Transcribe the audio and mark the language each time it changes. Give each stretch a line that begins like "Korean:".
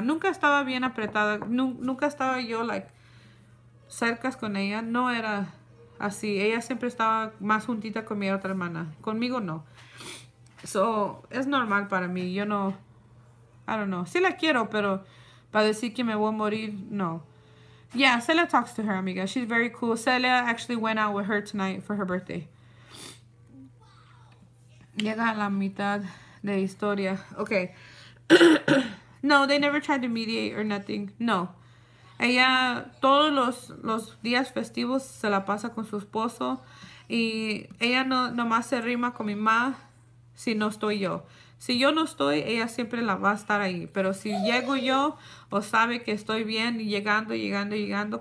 Spanish: Nunca estaba bien apretada. Nunca estaba yo, cerca con ella. No era así. Ella siempre estaba más juntita con mi otra hermana. Conmigo, no. So, es normal para mí. Yo no...
English: I don't know.
Spanish: Sí la quiero, pero... para decir que me voy a morir, no.
English: Yeah, Celia talks to her, amiga. She's very cool. Celia actually went out with her tonight for her birthday.
Spanish: Llega a la mitad de historia.
English: Okay. No, they never tried to mediate or nothing.
Spanish: No. Ella, todos los días festivos, se la pasa con su esposo. Y ella no nomás se rima con mi mamá si no estoy yo. Si yo no estoy, ella siempre la va a estar ahí. Pero si llego yo, o sabe que estoy bien, llegando.